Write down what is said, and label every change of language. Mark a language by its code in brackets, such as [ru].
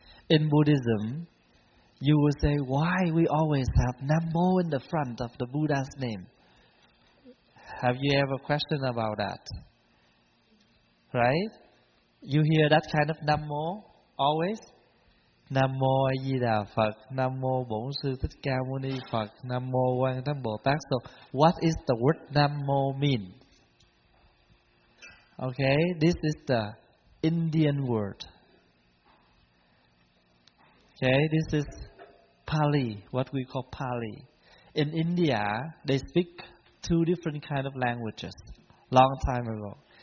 [en] In Buddhism, you will say, why we always have Nam Mô in the front of the Buddha's name? Have you ever questioned about that? Right? You hear that kind of Nam Mô always? [vi] Nam Mô A Di Đà Phật, Nam Mô Bổn Sư Thích Ca Mâu Ni Phật, Nam Mô Quan Thế Âm Bồ Tát. [en] So, what is the word Nam Mô mean? Okay, this is the Indian word. Okay, this is Pali, what we call Pali. In India, they speak 2 different kind of languages long time ago.